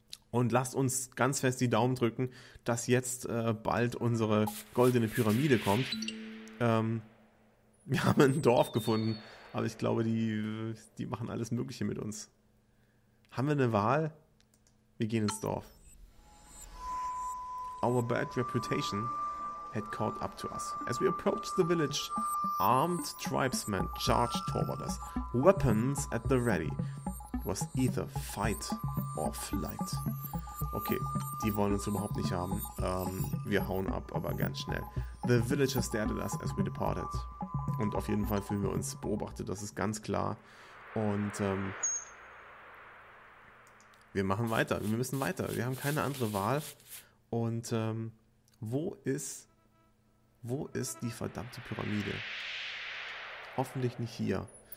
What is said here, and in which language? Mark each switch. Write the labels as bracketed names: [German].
[German] Und lasst uns ganz fest die Daumen drücken, dass jetzt bald unsere goldene Pyramide kommt. Wir haben ein Dorf gefunden, aber ich glaube, die machen alles Mögliche mit uns. Haben wir eine Wahl? Wir gehen ins Dorf. [English] Our bad reputation had caught up to us. As we approached the village, armed tribesmen charged toward us, weapons at the ready. It was either fight or flight. [German] Okay, die wollen uns überhaupt nicht haben. Wir hauen ab, aber ganz schnell. [English] The villagers stared at us as we departed. [German] Und auf jeden Fall fühlen wir uns beobachtet, das ist ganz klar. Und wir machen weiter, wir müssen weiter. Wir haben keine andere Wahl. Und wo ist die verdammte Pyramide? Hoffentlich nicht hier.